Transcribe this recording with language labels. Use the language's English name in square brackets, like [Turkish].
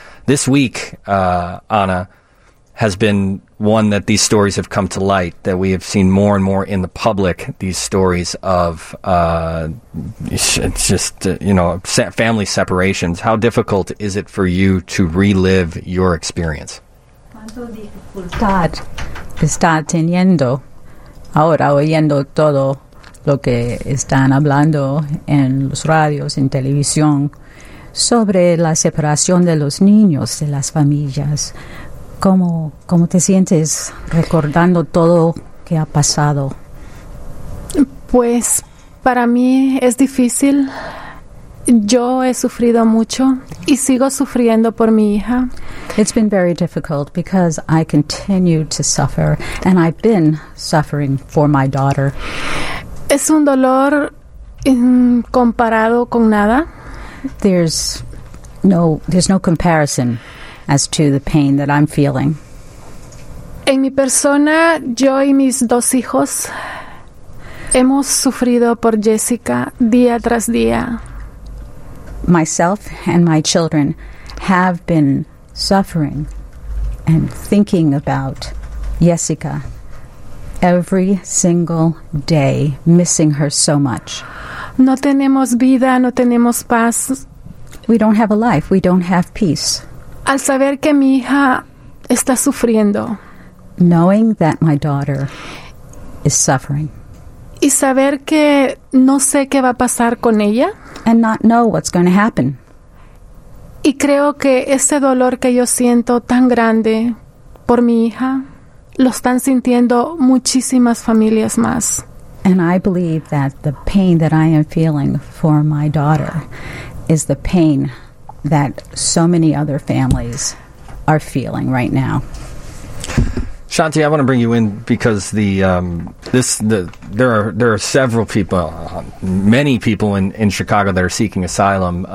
[English] This week, Anna, has been one that these stories have come to light, that we have seen more and more in the public, these stories of family separations. How difficult is it for you to relive your experience? [Spanish] ¿Cuánta dificultad está teniendo ahora oyendo todo lo que están hablando en los radios, en televisión, sobre la separación de los niños de las familias? ¿Cómo te sientes recordando todo que ha pasado? Pues para mí es difícil. Yo he sufrido mucho y sigo sufriendo por mi hija. [English] It's been very difficult because I continue to suffer, and I've been suffering for my daughter. [Spanish] Es un dolor comparado con nada. [English] There's no comparison as to the pain that I'm feeling. [Spanish] En mi persona, yo y mis dos hijos hemos sufrido por Jessica día tras día. [English] Myself and my children have been suffering and thinking about Jessica every single day, missing her so much. [Spanish] No tenemos vida, no tenemos paz. [English] We don't have a life, we don't have peace. [Spanish] Al saber que mi hija está sufriendo. [English] Knowing that my daughter is suffering. [Spanish] Y saber que no sé qué va a pasar con ella. [English] And not know what's going to happen. [Spanish] Y creo que ese dolor que yo siento tan grande por mi hija, lo están sintiendo muchísimas familias más. [English] And I believe that the pain that I am feeling for my daughter is the pain that so many other families are feeling right now. Shanti, I want to bring you in because there are several people, many people in Chicago that are seeking asylum.